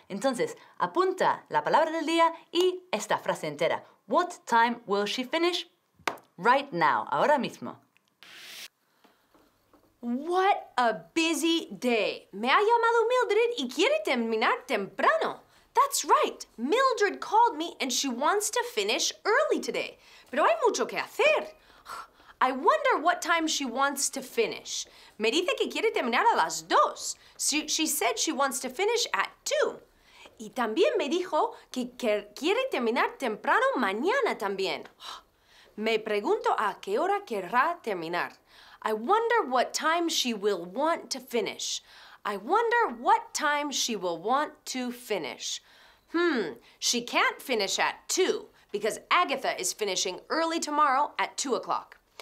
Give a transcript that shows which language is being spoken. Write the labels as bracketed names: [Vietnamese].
[Spanish] Entonces, apunta la palabra del día y esta frase entera. [English] What time will she finish? Right now. [Spanish] Ahora mismo. [English] What a busy day. [Spanish] Me ha llamado Mildred y quiere terminar temprano. [English] That's right. Mildred called me and she wants to finish early today. [Spanish] Pero hay mucho que hacer. [English] I wonder what time she wants to finish. [Spanish] Me dice que quiere terminar a las dos. [English] She said she wants to finish at two. [Spanish] Y también me dijo que quiere terminar temprano mañana también. Me pregunto a qué hora querrá terminar. [English] I wonder what time she will want to finish. I wonder what time she will want to finish. She can't finish at two because Agatha is finishing early tomorrow at 2 o'clock.